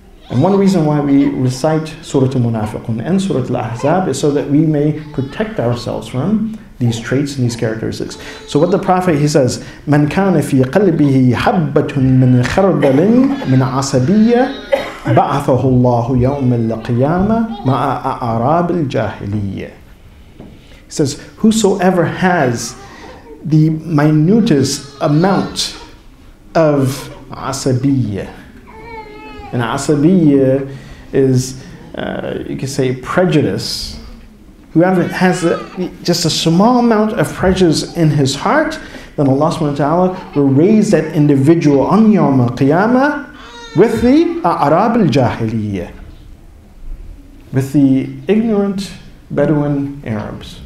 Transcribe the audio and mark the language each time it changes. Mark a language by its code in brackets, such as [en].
[en] And one reason why we recite Surah Al-Munafiqun and Surah Al-Ahzab is so that we may protect ourselves from these traits and these characteristics. So what the Prophet, he says, [ar] مَنْ كَانَ فِي قَلْبِهِ حَبَّةٌ مِّنْ خَرْدَلٍ مِّنْ عَصَبِيَّةٍ بَعَثَهُ اللَّهُ يَوْمَ الْقِيَامَةِ مَعَ أَعْرَابِ الْجَاهِلِيَّةِ. [en] He says, whosoever has the minutest amount of asabiyya. And asabiyya is, you could say, prejudice. Whoever has just a small amount of prejudice in his heart, then Allah subhanahu wa ta'ala will raise that individual on Yawm al-Qiyamah with the A'rab al-Jahiliyyah, with the ignorant Bedouin Arabs.